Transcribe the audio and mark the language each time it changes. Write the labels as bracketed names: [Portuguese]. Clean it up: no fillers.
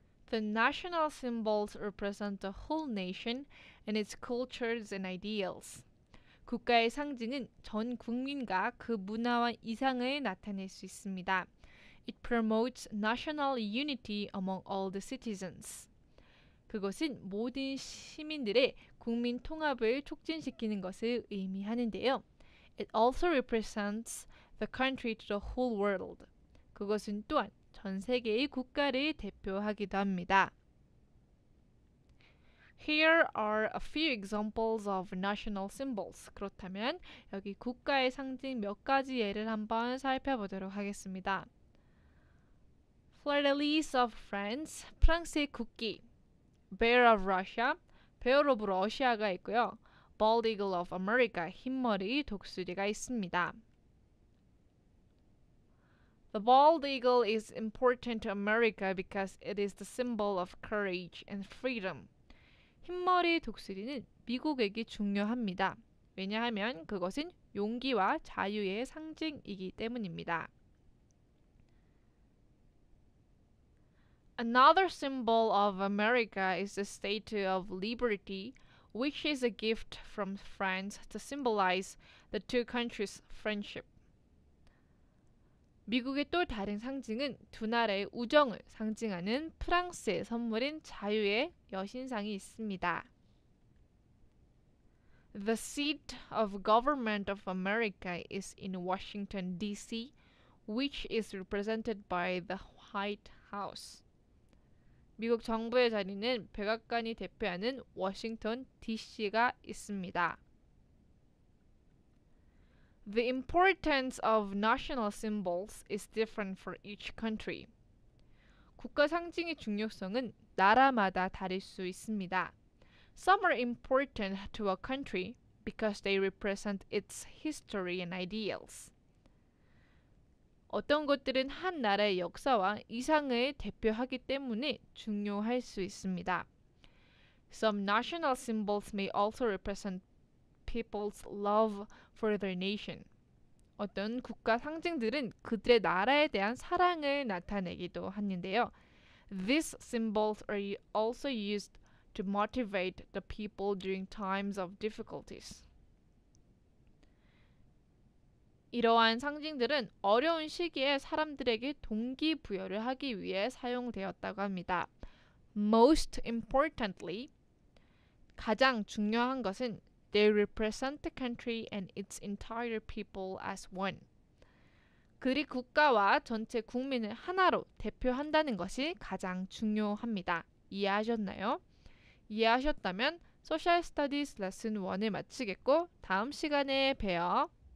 [English] The national symbols represent the whole nation and its cultures and ideals. [Korean] 국가의 상징은 전 국민과 그 문화와 이상을 나타낼 수 있습니다. [English] It promotes national unity among all the citizens. [Korean] 그것은 모든 시민들의 국민 통합을 촉진시키는 것을 의미하는데요. [English] It also represents the country to the whole world. [Korean] 그것은 또한 전 세계의 국가를 대표하기도 합니다. [English] Here are a few examples of national symbols. [Korean] 그렇다면 여기 국가의 상징 몇 가지 예를 한번 살펴보도록 하겠습니다. [English] Fleur-de-lis of France, [Korean] 프랑스의 국기. [English] Bear of Russia, [Korean] 베어 오브 러시아가 있고요. [English] Bald Eagle of America, [Korean] 흰머리 독수리가 있습니다. [English] The bald eagle is important to America because it is the symbol of courage and freedom. [Korean] 흰머리 독수리는 미국에게 중요합니다. 왜냐하면 그것은 용기와 자유의 상징이기 때문입니다. [English] Another symbol of America is the Statue of Liberty, which is a gift from France to symbolize the two countries' friendship. [Korean] 미국의 또 다른 상징은 두 나라의 우정을 상징하는 프랑스의 선물인 자유의 여신상이 있습니다. [English] The seat of government of America is in Washington, D.C., which is represented by the White House. [Korean] 미국 정부의 자리는 백악관이 대표하는 워싱턴 D.C.가 있습니다. [English] The importance of national symbols is different for each country. [Korean] 국가 상징의 중요성은 나라마다 다를 수 있습니다. [English] Some are important to a country because they represent its history and ideals. [Korean] 어떤 것들은 한 나라의 역사와 이상을 대표하기 때문에 중요할 수 있습니다. [English] Some national symbols may also represent people's love for their nation. [Korean] 어떤 국가 상징들은 그들의 나라에 대한 사랑을 나타내기도 하는데요. [English] These symbols are also used to motivate the people during times of difficulties. [Korean] 이러한 상징들은 어려운 시기에 사람들에게 동기부여를 하기 위해 사용되었다고 합니다. [English] Most importantly, [Korean] 가장 중요한 것은 [English] They represent the country and its entire people as one. [Korean] 그들이 국가와 전체 국민을 하나로 대표한다는 것이 가장 중요합니다. 이해하셨나요? 이해하셨다면 소셜 스터디스 레슨 1을 마치겠고 다음 시간에 봬요.